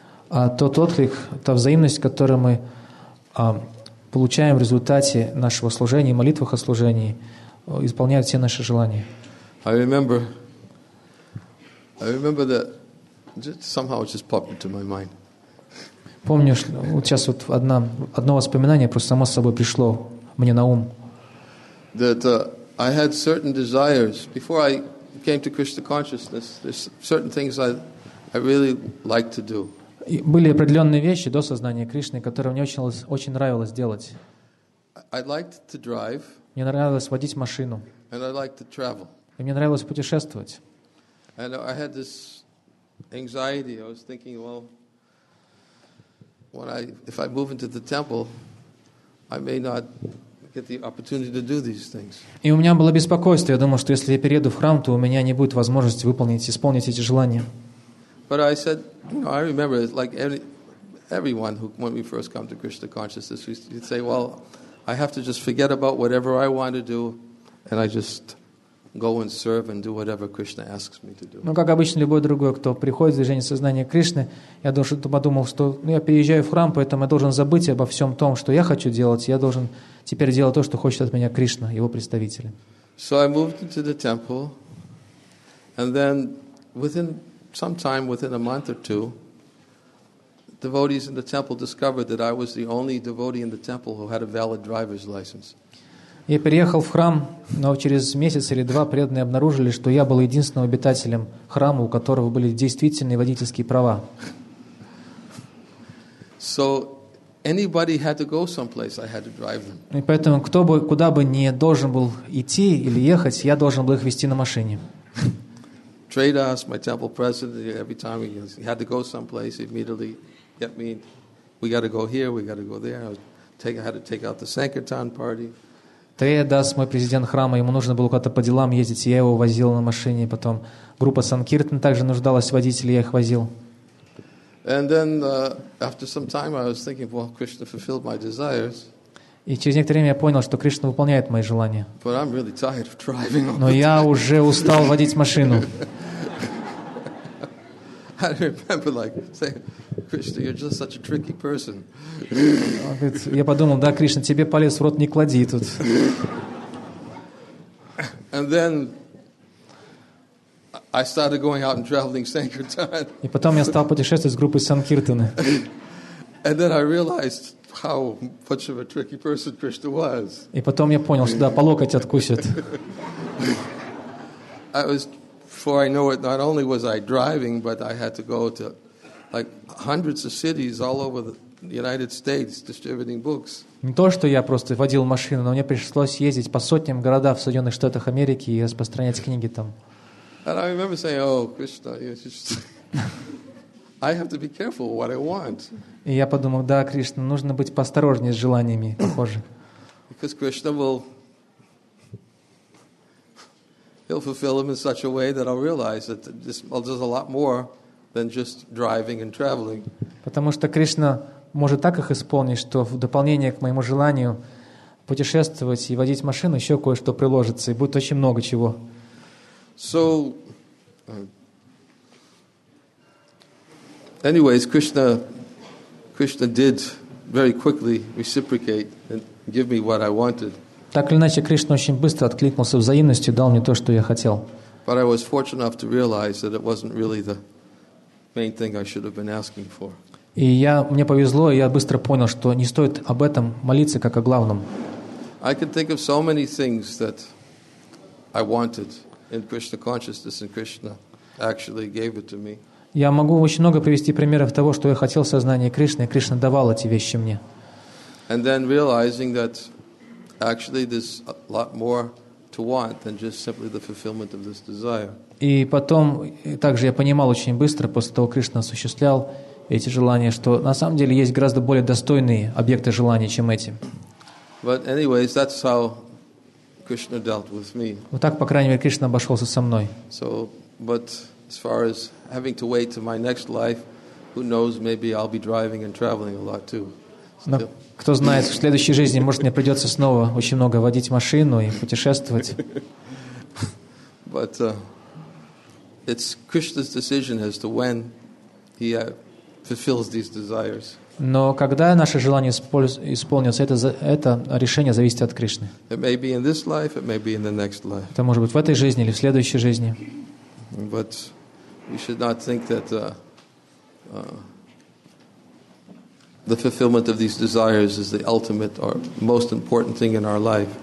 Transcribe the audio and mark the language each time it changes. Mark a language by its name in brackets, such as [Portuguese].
[Russian] А тот отклик, та взаимность, которую мы получаем в результате нашего служения, молитвах о служении, исполняет все наши желания. [English] I remember that. Just somehow it just popped into my mind. [Russian] Помнишь, вот сейчас вот одно воспоминание просто само собой пришло мне на ум. [English] That I had certain desires before I came to Krishna consciousness. There's certain things I really like to do. [Russian] Были определенные вещи до сознания Кришны, которые мне очень нравилось делать. [English] I'd like to drive. [Russian] Мне нравилось водить машину. [English] And I'd like to travel. [Russian] И мне нравилось путешествовать. [English] And I had this anxiety. I was thinking, well, if I move into the temple, I may not get the opportunity to do these things. [Russian] И у меня было беспокойство. Я думал, что если я перееду в храм, то у меня не будет возможности исполнить эти желания. [English] But I said, you know, I remember, like everyone who, when we first come to Krishna consciousness, we'd say, well, I have to just forget about whatever I want to do, and I just go and serve and do whatever Krishna asks me to do. [Russian] Ну, как обычно, любой другой, кто приходит в движение сознания Кришны, я должен подумал, что я переезжаю в храм, поэтому я должен забыть обо всем том, что я хочу делать. Я должен теперь делать то, что хочет от меня Кришна, его представители. [English] So I moved into the temple, and then within some time, within a month or two, devotees in the temple discovered that I was the only devotee in the temple who had a valid driver's license. [Russian] Я переехал в храм, но через месяц или два преданные обнаружили, что я был единственным обитателем храма, у которого были действительные водительские права. [English] So anybody had to go someplace, I had to drive them. [Russian] И поэтому кто бы, куда бы не должен был идти или ехать, я должен был их везти на машине. [English] Tradas, my temple president, every time he had to go someplace, he immediately get me, we got to go here, we got to go there. I had to take out the Sankirtan party. [Russian] Тредас, мой президент храма, ему нужно было куда-то по делам ездить, я его возил на машине, потом группа Санкиртан также нуждалась в водителе, я их возил. [English] And then, after some time, I was thinking, well, Krishna fulfilled my desires. [Russian] И через некоторое время я понял, что Кришна выполняет мои желания. [English] But I'm really tired of driving. [Russian] Но я уже устал водить машину. [English] I remember like saying, Krishna, you're just such a tricky person. [Russian] Я подумал, да, Кришна, тебе палец в рот не клади тут. [English] And then I started going out and traveling Sankirtan. [Russian] И потом я стал путешествовать с группой Санкиртаны. [English] And then I realized how much of a tricky person Krishna was. [Russian] И потом я понял, что да, по локоть откусит. [English] I was, before I know it, not only was I driving, but I had to go to like hundreds of cities all over the United States distributing books. [Russian] Не то, что я просто водил машину, но мне пришлось ездить по сотням городов в Соединенных Штатах Америки и распространять книги там. [English] And I remember saying, "Oh, Krishna, I have to be careful what I want." [Russian] И я подумал, да, Кришна, нужно быть поосторожнее с желаниями, похоже. [English] Because Krishna will, he'll fulfill them in such a way that I'll realize that this is a lot more than just driving and traveling. [Russian] Потому что Кришна может так их исполнить, что в дополнение к моему желанию путешествовать и водить машину еще кое-что приложится, и будет очень много чего. [English] So, anyways, Krishna did very quickly reciprocate and give me what I wanted. [Russian] Так или иначе, Кришна очень быстро откликнулся взаимностью, дал мне то, что я хотел. [English] But I was fortunate enough to realize that it wasn't really the main thing I should have been asking for. [Russian] И мне повезло, я быстро понял, что не стоит об этом молиться как о главном. [English] I can think of so many things that I wanted in Krishna consciousness, and Krishna actually gave it to me. [Russian] Я могу очень много привести примеров того, что я хотел в сознании Кришны, и Кришна давал эти вещи мне. [English] And then realizing that actually there's a lot more to want than just simply the fulfillment of this desire. [Russian] И потом также я понимал очень быстро после того, как Кришна осуществлял эти желания, что на самом деле есть гораздо более достойные объекты желания, чем эти. [English] But anyways, that's how Krishna dealt with me. [Russian] Вот так, по крайней мере, Кришна обошелся со мной. [English] So, but as far as having to wait to my next life, who knows, maybe I'll be driving and traveling a lot too. [Russian] Но кто знает, в следующей жизни, может, мне придется снова очень много водить машину и путешествовать. [English] But it's Krishna's decision as to when he fulfills these desires. [Russian] Но когда наше желание исполнится, это решение зависит от Кришны. [English] It may be in this life, it may be in the next life. [Russian] Это может быть в этой жизни или в следующей жизни. [English] But we should not think that the fulfillment of these desires is the ultimate or most important thing in our life.